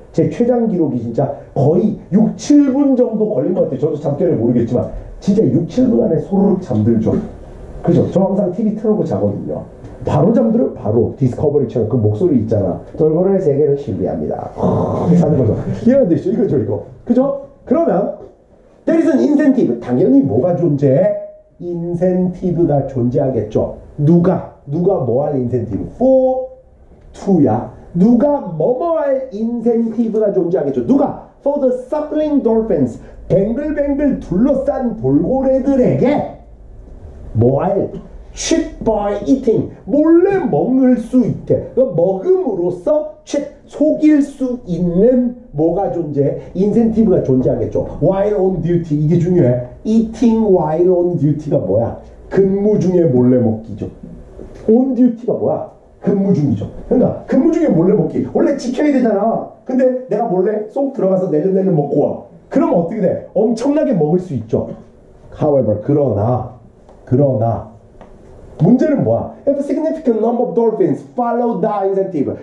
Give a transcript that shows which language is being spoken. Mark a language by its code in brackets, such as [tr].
[ko] 제 최장 기록이 진짜 거의 6, 7분 정도 걸린 것 같아요. 저도 잠결을 모르겠지만 진짜 6, 7분 안에 소르륵 잠들죠. 그죠? 저 항상 TV 틀어놓고 자거든요. 바로 잠들어요. 바로 디스커버리 채널 그 목소리 있잖아. 돌고래 세계를 신비합니다. 하는 거죠. 이해가 되시죠? 이거죠, 이거. 그죠? 그러면 [en] There is an incentive. [ko] 당연히 뭐가 존재해? 인센티브가 존재하겠죠. 누가? 누가 뭐 할 인센티브? For to야. 누가 뭐뭐 할 인센티브가 존재하겠죠. 누가? [en] For the suckling dolphins. [ko] 뱅글뱅글 둘러싼 돌고래들에게 뭐 할? [en] Cheat by eating. [ko] 몰래 먹을 수 있대. 먹음으로써 cheat, 속일 수 있는 뭐가 존재해? 인센티브가 존재하겠죠. [en] While on duty. [ko] 이게 중요해. [en] Eating while on duty가 [ko] 뭐야? 근무 중에 몰래 먹기죠. On duty가 뭐야? 근무 중이죠. 그러니까 근무 중에 몰래 먹기. 원래 지켜야 되잖아. 근데 내가 몰래 쏙 들어가서 내려내려 먹고 와. 그럼 어떻게 돼? 엄청나게 먹을 수 있죠. However, 그러나 문제는 뭐야? [en] If a significant number of dolphins follow the incentive.